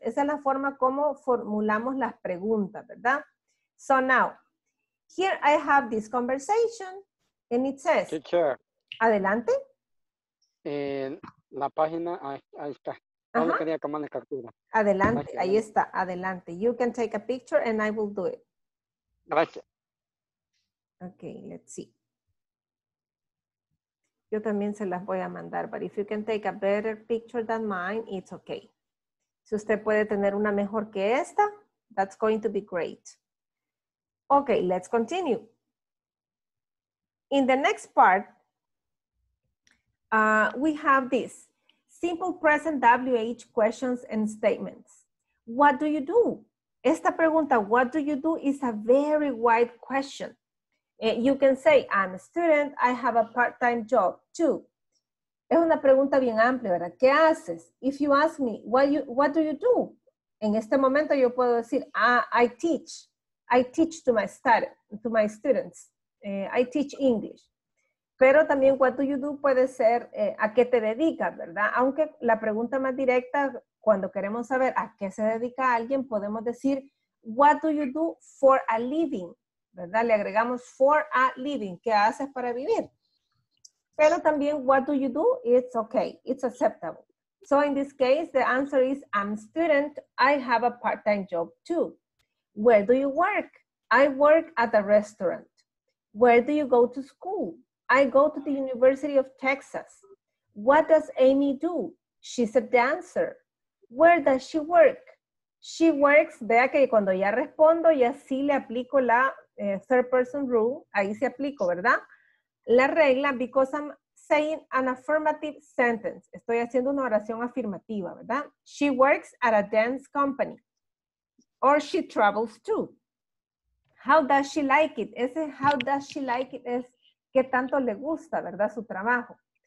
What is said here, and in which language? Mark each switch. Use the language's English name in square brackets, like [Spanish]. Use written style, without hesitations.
[Spanish] Esa es la forma como formulamos las preguntas, ¿verdad? [English] So now, here I have this conversation and it says, teacher. [Spanish] Adelante. La página, ahí está. Uh-huh. Adelante, ahí está, adelante. [English] You can take a picture and I will do it. [Spanish] Gracias. [English] Okay, let's see. [Spanish] Yo también se las voy a mandar, [English] but if you can take a better picture than mine, it's okay. [Spanish] Si usted puede tener una mejor que esta, [English] that's going to be great. Okay, let's continue. In the next part, we have this. Simple present WH questions and statements. What do you do? [Spanish] Esta pregunta, [English] what do you do, is a very wide question. You can say, I'm a student, I have a part-time job too. [Spanish] Es una pregunta bien amplia, ¿verdad? ¿Qué haces? [English] If you ask me, what do you do? [Spanish] En este momento yo puedo decir, [English] I teach. I teach to my students. I teach English. [Spanish] Pero también, [English] what do you do, [Spanish] puede ser a qué te dedicas, ¿verdad? Aunque la pregunta más directa, cuando queremos saber a qué se dedica alguien, podemos decir, [English] what do you do for a living, [Spanish] ¿verdad? Le agregamos [English] for a living, [Spanish] ¿qué haces para vivir? Pero también, [English] what do you do, it's okay, it's acceptable. So in this case, the answer is, I'm a student. I have a part-time job too. Where do you work? I work at a restaurant. Where do you go to school? I go to the University of Texas. What does Amy do? She's a dancer. Where does she work? She works, [Spanish] vea que cuando ya respondo, ya sí le aplico la [English] third person rule, [Spanish] ahí se aplico, ¿verdad? La regla, [English] because I'm saying an affirmative sentence. [Spanish] Estoy haciendo una oración afirmativa, ¿verdad? [English] She works at a dance company. Or she travels too. How does she like it? [Spanish] Ese [English] how does she like it [Spanish] es qué tanto le gusta, ¿verdad? Su trabajo.